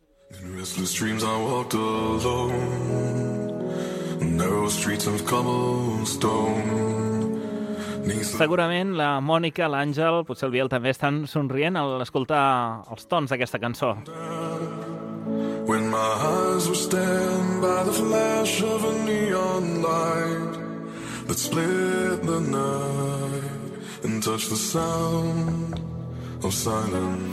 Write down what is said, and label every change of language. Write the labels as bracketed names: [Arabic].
[English] In restless dreams I walked alone. Narrow streets of cobblestone. [Catalan] Segurament la Mònica, l'Àngel, potser el Biel també estan somrient a escoltar els tons d'aquesta cançó. [English] When my eyes were stand by the flash of a neon light that split the night and touched the sound of silence.